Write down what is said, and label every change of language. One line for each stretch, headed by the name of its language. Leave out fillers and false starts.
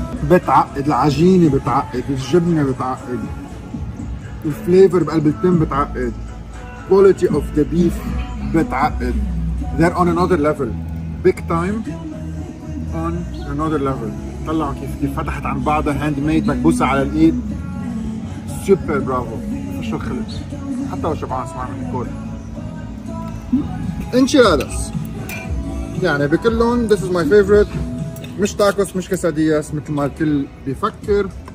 Arabic: بتعقد العجينة بتعقد الجبنة بتعقد الفليفر بقلب التم بتعقد
English: quality of the beef
Arabic: بتعقد.
English: They're on another level. Big time on another level.
Arabic: طلعوا كيف فتحت عن بعضها هاند ميد مكبوسة على الايد. سوبر برافو. شو خلص. حتى لو شبعان اسمع من الكل. انشيلادس. يعني بكل لون
English: this is my favorite.
Arabic: مش تاكوس مش كاسادياس مثل ما الكل بيفكر.